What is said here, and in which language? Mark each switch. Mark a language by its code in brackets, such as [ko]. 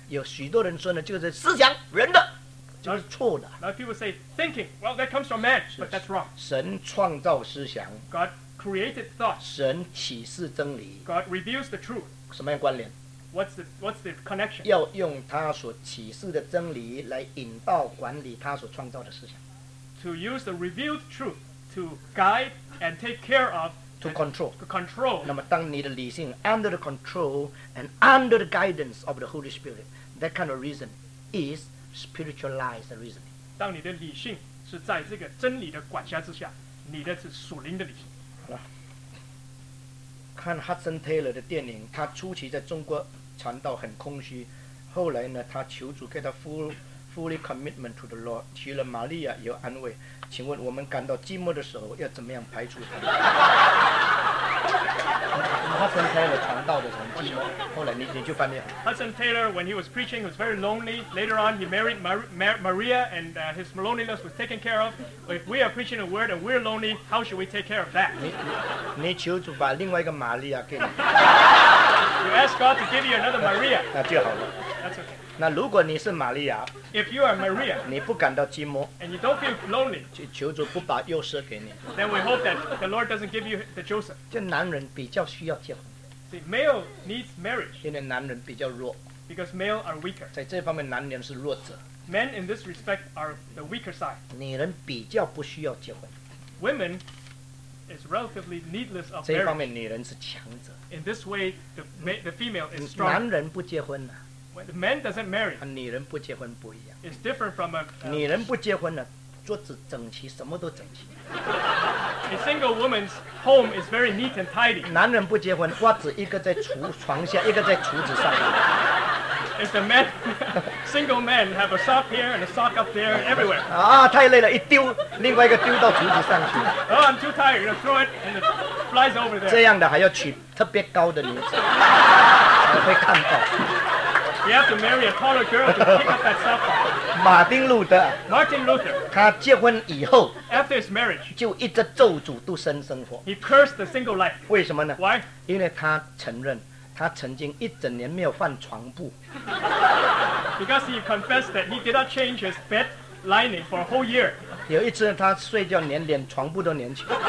[zh] 有许多人说呢，就是思想人的。那是错的。 [en] Now people say thinking, well, that comes from man, but that's wrong. [zh] 神创造思想。 [en] God created thought. [zh] 神启示真理。 [en] God reveals the truth. [zh] 什么样关联 [en] ？What's the connection? [zh] 要用他所启示的真理来引导管理他所创造的思想。 [en] To use the revealed truth to guide and take care of. To control. To control. [zh] 那么，当你的理性 [en] under the control and under the guidance of the Holy Spirit, that kind of reason is. Spiritualized reasoning. [zh] 当你的理性是在这个真理的管辖之下，你的是属灵的理性。好了，看 Hudson Taylor 的电影，他初期在中国传道很空虚，后来呢，他求主给他 [en] fully commitment to the Lord， [zh] 娶了玛利亚有安慰。请问我们感到寂寞的时候要怎么样排除他？ Hudson Taylor 传道的时候寂寞，后来你就翻脸。 [en] Hudson Taylor, when he was preaching, was very lonely. Later on, he married Maria, and his loneliness was taken care of. If we are preaching the word and we're lonely, how should we take care of that? [zh] 你求主把另外一个玛利亚给你。 [en] You ask God to give you another Maria. [zh] 那就好了。 [en] That's okay. [zh] 那如果你是玛利亚 [en] ，If you are Maria， [zh] 你不感到寂寞 [en] ，and you don't feel lonely， [zh] 求主不把约瑟给你 [en] ，then we hope that the Lord doesn't give you the Joseph。 [zh] 这男人比较需要结婚。 [en] See, male needs marriage。 [zh] 因为男人比较弱。 [en] Because male are weaker。 [zh] 在这方面，男人是弱者。 [en] Men in this respect are the weaker side。 [zh] 女人比较不需要结婚。 [en] Women is relatively needless of marriage。 [zh] 这方面，女人是强者。 [en] In this way, the female is strong。 [zh] 男人不结婚呢？ [en] When man doesn't marry, [zh] 女人不结婚不一样。 [en] It's different from a [zh] 女人不结婚呢，桌子整齐，什么都整齐。 [en] A single woman's home is very neat and tidy. [zh] 男人不结婚，袜子一个在床下，一个在橱子上。 [en] If the man, single man, have a sock here and a sock up there everywhere. [zh] 啊，太累了，一丢，另外一个丢到橱子上去。 [en] Oh, I'm too tired. You throw it and it flies over there. [zh] 这样的还要娶特别高的女子，才会看到。 [en] You have to marry a taller girl to pick up that stuff. [zh] 马丁路德 [en] Martin Luther. [zh] 他结婚以后 [en] After his marriage, [zh] 就一直咒诅独身生活 [en] He cursed the single life. [zh] 为什么呢 [en] Why? [zh] 因为他承认他曾经一整年没有换床布 [en] Because he confessed that he did not change his bed lining for a whole year. [zh] 有一次他睡觉连床布都粘起